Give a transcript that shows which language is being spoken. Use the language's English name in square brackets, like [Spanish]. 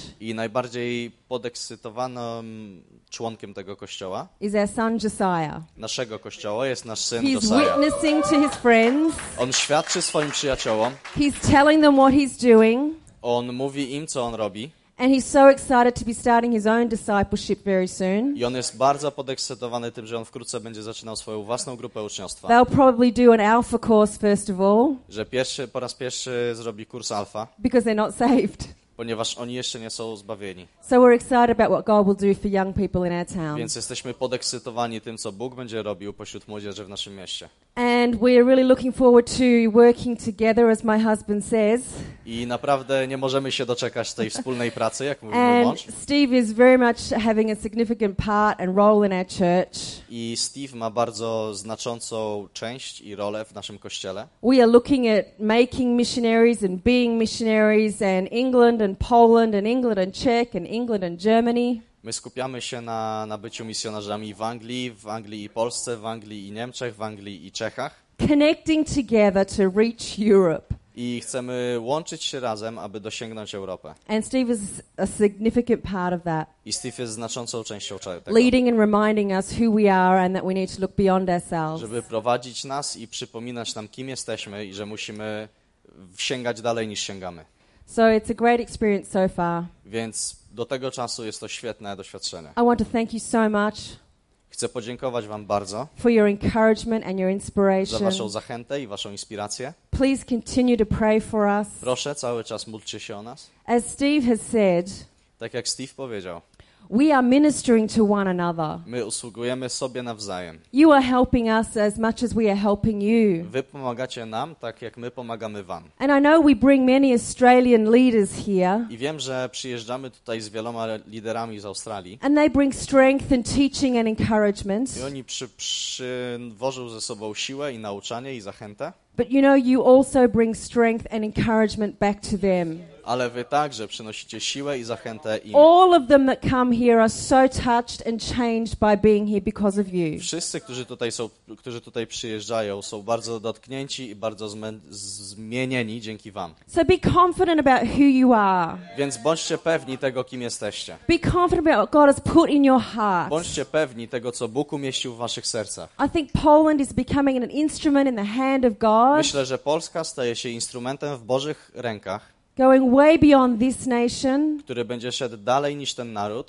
[Polish] I najbardziej podekscytowanym członkiem tego kościoła. [English] Is our son Josiah. [Polish] Naszego kościoła jest nasz syn [English] he's [Polish] Josiah. [English] Witnessing to his friends. [Polish] On świadczy swoim przyjaciołom. [English] He's telling them what he's doing. [Polish] On mówi im, co on robi. [English] And he's so excited to be starting his own discipleship very soon. [Polish] I on jest bardzo podekscytowany tym, że on wkrótce będzie zaczynał swoją własną grupę uczniostwa. [English] They'll probably do an alpha course first of all. [Polish] Że po raz pierwszy zrobi kurs alfa. [English] Because they're not saved. [Polish] Ponieważ oni jeszcze nie są zbawieni. [English] So we're excited about what God will do for young people in our town. [Polish] Więc jesteśmy podekscytowani tym, co Bóg będzie robił pośród młodzieży w naszym mieście. [English] And we're really looking forward to working together, as my husband says. [Polish] I naprawdę nie możemy się doczekać tej wspólnej pracy, jak mówimy. [English] And Steve is very much having a significant part and role in our church. [Polish] I Steve ma bardzo znaczącą część i rolę w naszym kościele. [English] We are looking at making missionaries and being missionaries and England and Poland and England and Czech and England and Germany. [Polish] My skupiamy się na byciu misjonarzami w Anglii i Polsce, w Anglii i Niemczech, w Anglii i Czechach. [English] Connecting together to reach Europe. [Polish] I chcemy łączyć się razem, aby dosięgnąć Europę. [English] And Steve is a significant part of that. [Polish] I Steve jest znaczącą częścią tego. [English] Leading and reminding us who we are and that we need to look beyond ourselves. [Polish] Żeby prowadzić nas i przypominać nam, kim jesteśmy i że musimy sięgać dalej niż sięgamy. [English] So it's a great experience so far. [Polish] Więc do tego czasu jest to świetne doświadczenie. [English] I want to thank you so much. [Polish] Chcę podziękować wam bardzo. [English] For your encouragement and your inspiration. [Polish] Za waszą zachętę i waszą inspirację. [English] Please continue to pray for us. [Polish] Proszę cały czas módlcie się o nas. [English] As Steve has said. [Polish] Tak jak Steve powiedział. [English] We are ministering to one another. [Polish] My usługujemy sobie nawzajem. [English] You are helping us as much as we are helping you. [Polish] Wy pomagacie nam tak jak my pomagamy wam. [English] And I know we bring many Australian leaders here. [Polish] I wiem, że przyjeżdżamy tutaj z wieloma liderami z Australii. [English] And they bring strength and teaching and encouragement. [Polish] I oni przywożą ze sobą siłę i nauczanie i zachętę. [English] But you know you also bring strength and encouragement back to them. [Polish] Ale wy także przynosicie siłę i zachętę im. [English] All of them that come here are so touched and changed by being here because of you. [Polish] Wszyscy, którzy tutaj przyjeżdżają, są bardzo dotknięci i bardzo zmienieni dzięki wam. [English] So be confident about who you are. [Polish] Więc bądźcie pewni tego, kim jesteście. [English] Be confident about what God has put in your heart. [Polish] Bądźcie pewni tego, co Bóg umieścił w waszych sercach. [English] I think Poland is becoming an instrument in the hand of God. [Polish] Myślę, że Polska staje się instrumentem w Bożych rękach. [English] Going way beyond this nation, [Polish] który będzie szedł dalej niż ten naród,